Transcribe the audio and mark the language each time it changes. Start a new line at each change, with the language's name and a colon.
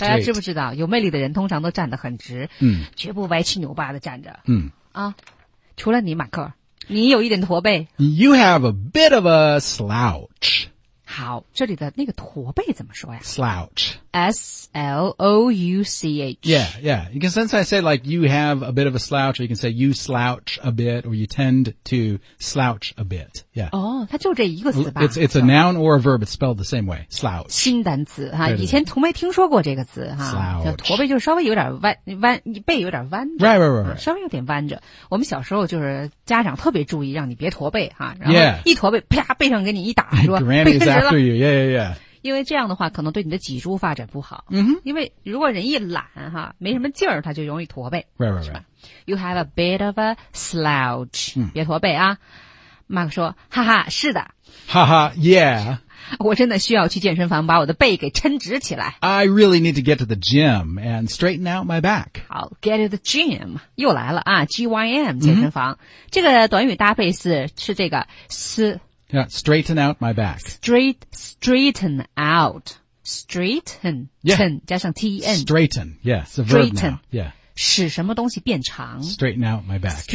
Chinese: 大家知不知道，有魅力的人通常都站得很直、绝不歪七扭八的站着。除了你，马克，你有一点驼背。
English: You have a bit of a slouch.
Chinese: 好，这里的那个驼背怎么说呀？
English: Slouch. S-L-O-U-C-H. Yeah, yeah. You can sometimes say like you have a bit of a slouch, or you can say you slouch a bit, or you tend to slouch a bit. Yeah.
Chinese: 哦、oh, ，它就这一个词吧。
English: It's a noun or a verb. It's spelled the same way. Slouch.
Chinese: 新单词哈，以前从没听说过这个词哈。
English: Slouch.
Chinese: 驼背就稍微有点弯，背有点弯着。
English: Right.
Chinese: 稍微有点弯着。我们小时候就是家长特别注意，让你别驼背哈。
English: Yeah.
Chinese: 一驼背，啪，背上给你一打，说背直了。
English: After you, yeah.
Chinese: 因为这样的话，可能对你的脊柱发展不好。嗯哼。因为如果人一懒哈，没什么劲儿，他就容易驼背。
English: Right. You have a bit of a slouch.
Chinese: 别驼背啊。马克说：“哈哈，是的。”
English: 哈哈 ，Yeah.
Chinese: 我真的需要去健身房把我的背给撑直起来。
English: I really need to get to the gym and straighten out my back. 好 ，get to the gym
Chinese: 又来了啊
English: ，GYM 健身房。Mm-hmm.
Chinese: 这个短语搭配是这个是。
English: Yeah, straighten out my back. Straighten out. Straighten. Yeah.
Chinese: 加上 T-N.
English: Straighten. Yeah, it's a verb now. Yeah.
Chinese: 使什么东西变长。
English: Straighten out my back.